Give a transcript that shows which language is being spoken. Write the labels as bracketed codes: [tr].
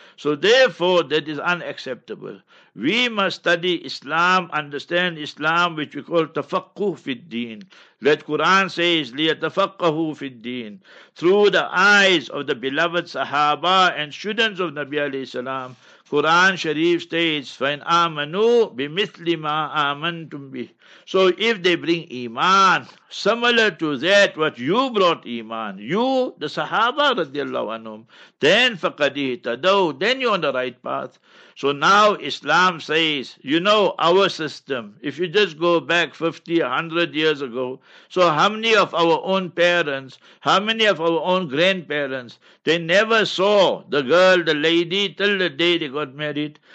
[en] So therefore, that is unacceptable. We must study Islam, understand Islam, which we call [ar] tafaqquh fid deen. [en] That Quran says, [ar] لِيَتَفَقَّهُ فِي الدِّينِ, [en] through the eyes of the beloved Sahaba and students of Nabi alayhi salam. Quran Sharif states, [ar] فَإِنْ آمَنُوا بِمِثْلِ مَا آمَنْتُمْ بِهِ. [en] So if they bring Iman, similar to that what you brought Iman, you, the Sahaba radiallahu anhum, then [ar] فَقَدِهِ تَدَوْ, [en] then you're on the right path. So now Islam says, you know our system, if you just go back 50, 100 years ago, so how many of our own parents, how many of our own grandparents, they never saw the girl, the lady, till the day they got married.